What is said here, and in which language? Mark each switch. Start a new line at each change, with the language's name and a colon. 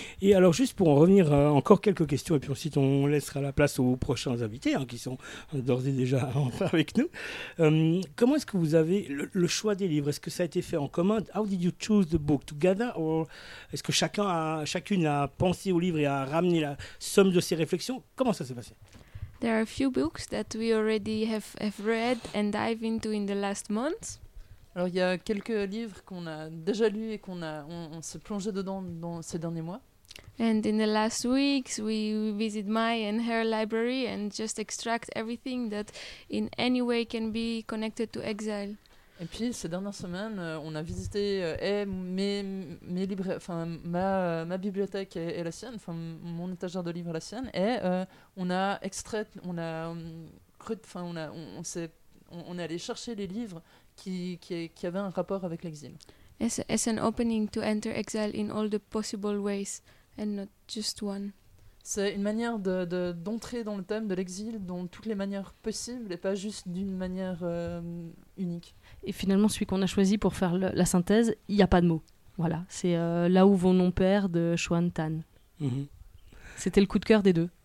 French: Et alors, juste pour en revenir, encore quelques questions, et puis ensuite on laissera la place aux prochains invités, hein, qui sont d'ores et déjà avec nous. Comment est-ce que vous avez le choix des livres? Est-ce que ça a été fait en commun?
English: How did you choose the book together? Or
French: est-ce que chacune a pensé au livre et a ramené la somme de ses réflexions? Comment ça s'est passé?
English: There are a few books that we already have read and dive into in the last months.
French: Alors il y a quelques livres qu'on a déjà lus et qu'on s'est plongé dedans dans ces derniers mois.
English: And in the last weeks, we visit my and her library and just extract everything that in any way can be connected to exile.
French: Et puis ces dernières semaines, on a visité ma bibliothèque et la sienne, enfin mon étagère de livres et la sienne, et on est allé chercher les livres qui avaient un rapport avec l'exil.
English: As an opening to enter exile in all the possible ways and not just one.
French: C'est une manière de d'entrer dans le thème de l'exil dans toutes les manières possibles et pas juste d'une manière unique. Et finalement, celui qu'on a choisi pour faire la synthèse, il n'y a pas de mots. Voilà, c'est Là où vont nos pères de Xuan Tan. C'était le coup de cœur des deux.